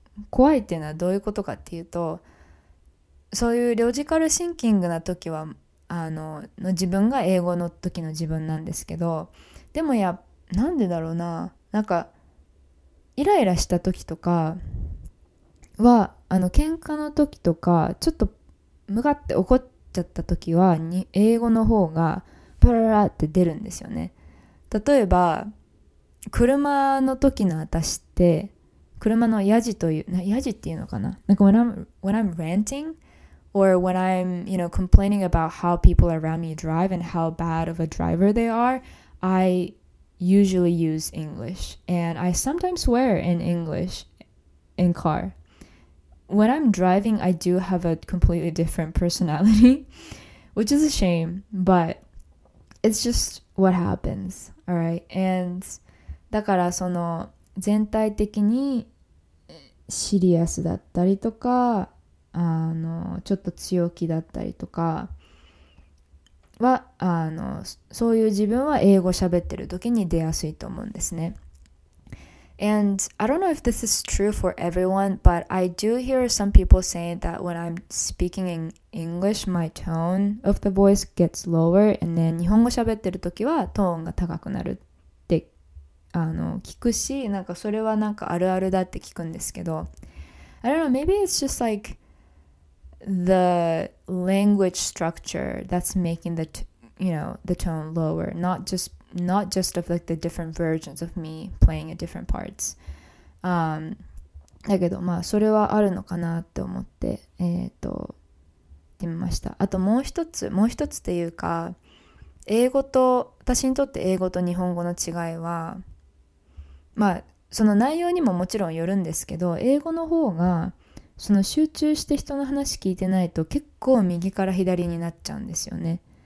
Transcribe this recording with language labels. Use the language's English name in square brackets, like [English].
[Japanese] 怖いっていうのはどういうことかっていうと、そういうロジカルシンキングな時はの自分が英語の時の自分なんですけど、でもやなんでだろうな、なんかイライラした時とかは喧嘩の時とかちょっとムカって怒っちゃった時は英語の方がパララって出るんですよね。例えば車の時の私って、車のヤジというヤジっていうのかな、なんか [English] when I'm ranting or when I'm, you know, complaining about how people around me drive and how bad of a driver they are, I usually use English, and I sometimes swear in English in car. When I'm driving, I do have a completely different personality, which is a shame, but it's just what happens, all right? And [Japanese] だからその全体的にシリアスだったりとか、ちょっと強気だったりとかは、そういう自分は英語喋ってる時に出やすいと思うんですね。 [English] And I don't know if this is true for everyone, but I do hear some people saying that when I'm speaking in English, my tone of the voice gets lower, and then [Japanese] 日本語喋ってる時はトーンが高くなるって聞くし、なんかそれはなんかあるあるだって聞くんですけど、 [English] I don't know, maybe it's just like the language structure that's making the the tone lower, not just of like the different versions of me playing at different parts. [Japanese] だけどまあそれはあるのかなって思って言ってみました。あともう一つっていうか、英語と私にとって英語と日本語の違いは、まあその内容にももちろんよるんですけど、英語の方がその集中して人の話聞いてないと結構右から左になっちゃうんですよね。